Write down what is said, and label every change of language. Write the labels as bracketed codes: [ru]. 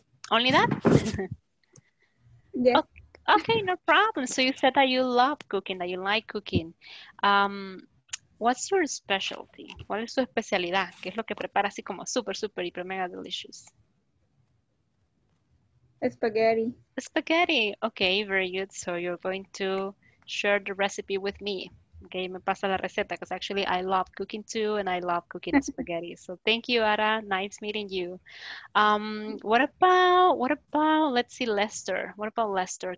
[en] Only that? Yeah. Okay, no problem. So you said that you love cooking, that you like cooking. What's your specialty? [es] ¿Cuál es su especialidad? ¿Qué es lo que prepara así como super, super, hiper, mega delicious? [en] Spaghetti. Spaghetti. Okay, very good. So you're going to share the recipe with me. Okay, [es] me pasa la receta [en] because actually I love cooking too and I love cooking spaghetti. So thank you, Ada. Nice meeting you. What about, let's see, Lester. What about Lester?